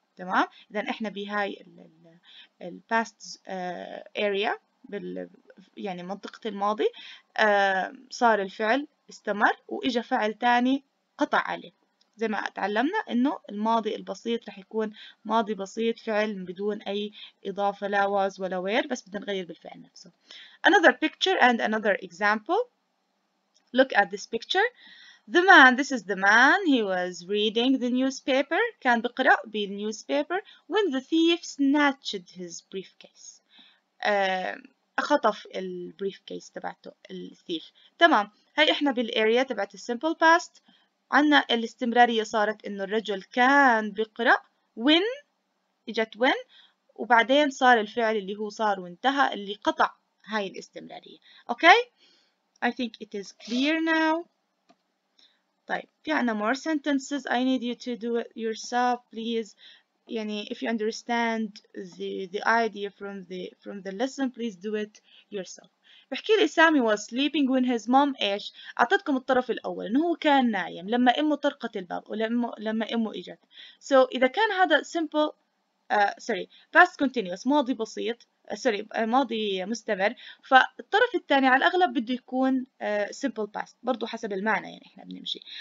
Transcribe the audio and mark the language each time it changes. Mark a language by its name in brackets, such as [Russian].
[Arabic] تمام اذا احنا بهاي الباست اريا يعني منطقه الماضي صار الفعل استمر واجا فعل ثاني قطع عليه زي ما تعلمنا انه الماضي البسيط رح يكون ماضي بسيط فعل بدون اي اضافه لا واز ولا وير بس بدنا نغير بالفعل نفسه. [English] Another picture and another example. Look at this picture. The man, this is the man, he was reading the newspaper. [Arabic] كان بقرأ بالنيوزبيبر. [English] When the thief snatched his briefcase. [Arabic] خطف البريفكيس تبعته الثيف. تمام. هاي احنا بالاريا تبعت simple past. عنا الاستمرارية صارت انه الرجل كان بقرأ. [English] When. [Arabic] اجت [English] when. [Arabic] وبعدين صار الفعل اللي هو صار وانتهى اللي قطع هاي الاستمرارية. [English] Okay? I think it is clear now. [Arabic] طيب في عنا [English] more sentences. I need you to do it yourself, please. يعني if you understand the idea from the lesson, please do it yourself. [Arabic] بحكي لي سامي [English] was sleeping when his mom [Arabic] إيش؟ أعطتكم الطرف الأول إنه هو كان نايم لما أمه طرقت الباب ولما أمه إجت. So إذا كان هذا [English] simple sorry past continuous [Arabic] ماضي بسيط [English] sorry [Arabic] ماضي مستمر فالطرف الثاني على الأغلب بده يكون simple past برضو حسب المعنى يعني إحنا بنمشي.